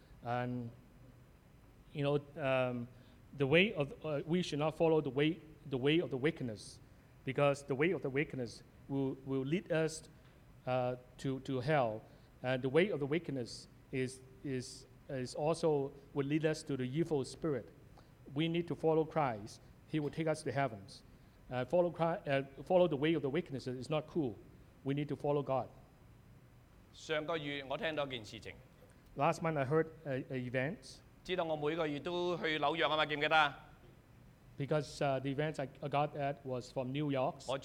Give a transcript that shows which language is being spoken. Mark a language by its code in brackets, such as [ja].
[en] And, the way of, we should not follow the way of the wickedness because the way of the wickedness will lead us to hell. And the way of the wickedness is also will lead us to the evil spirit. We need to follow Christ. He will take us to heavens. Follow the way of the wickedness is not cool. We need to follow God. [yue] 上個月我聽到一件事情。 [en] Last month I heard an event. [yue] 知道我每個月都去紐約啊嘛，記唔記得？ [en] Because the events I got at was from New York.